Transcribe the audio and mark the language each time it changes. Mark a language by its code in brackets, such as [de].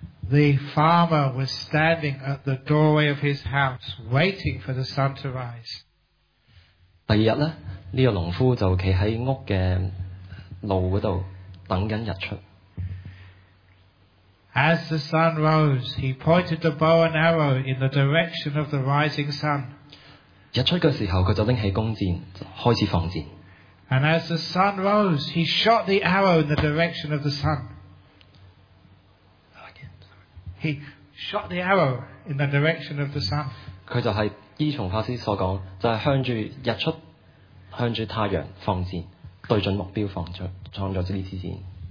[en] The farmer was standing at the doorway of his house, waiting for the sun to rise. [yue] 第二日咧，呢个农夫就企喺屋嘅路嗰度等紧日出。 [en] As the sun rose, he pointed the bow and arrow in the direction of the rising sun. [yue] 日出嘅时候，佢就拎起弓箭，开始放箭。 [en] And as the sun rose, he shot the arrow in the direction of the sun. He shot the arrow in the direction of the sun. [yue] 佢就系依从法师所讲，就系向住日出，向住太阳放箭，对准目标放出，创咗呢支箭。